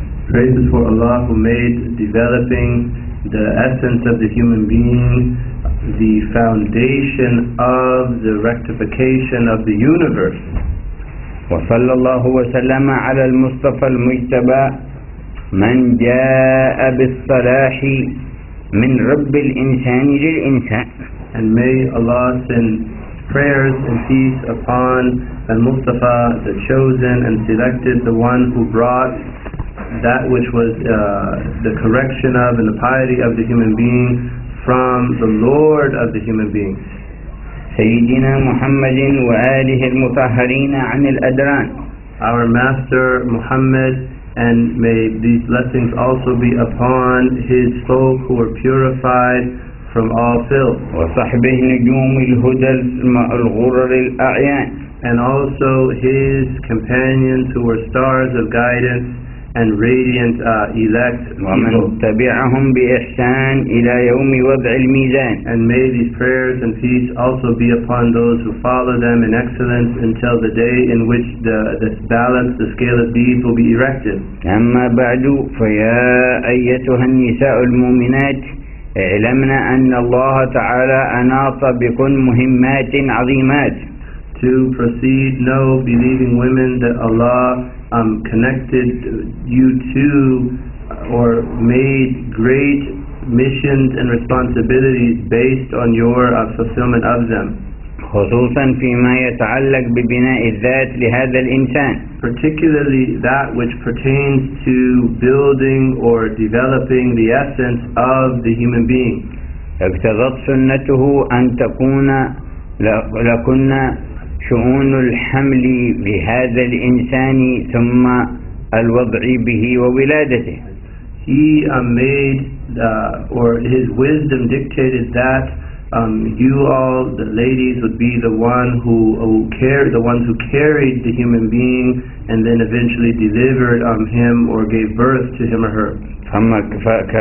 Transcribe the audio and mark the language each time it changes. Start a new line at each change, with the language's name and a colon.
English: Praises for Allah who made developing the essence of the human being the foundation of the rectification of the universe.
Arabic: وصلى الله وسلم على المصطفى المجتبى من جاء بالصلاح من رب الإنسان للإنسان.
English: And may Allah send prayers and peace upon Al-Mustafa, the chosen and selected, the one who brought that which was the correction of and the piety of the human being from the Lord of the human beings.
Arabic: سيدنا محمد وآله المطهرين عن الأدران.
English: Our Master Muhammad, and may these blessings also be upon his folk who are purified from all filth.
Arabic: وصحبه نجوم الهدى الغرر الأعيان.
English: And also his companions who were stars of guidance and radiant elect
Arabic: ومن
English: people.
Arabic: تبعهم بإحسان إلى يوم وضع الميزان.
English: And may these prayers and peace also be upon those who follow them in excellence until the day in which this balance, the scale of deeds will be erected.
Arabic: أما بعد فيا أيتها النساء المؤمنات اعلمنا أن الله تعالى أناط بكن مهمات عظيمات.
English: To proceed, know, believing women, that Allah connected you to or made great missions and responsibilities based on your fulfillment of them.
Arabic: خصوصا فيما يتعلق ببناء الذات لهذا الإنسان.
English: Particularly that which pertains to building or developing the essence of the human being.
Arabic: اقتضت سنته أن تكون لكنا شؤون الحمل بهذا الإنسان ثم الوضع به وولادته.
English: He made or his wisdom dictated that you all, the ladies, would be the one who carried the human being and then eventually delivered him or gave birth to him or her.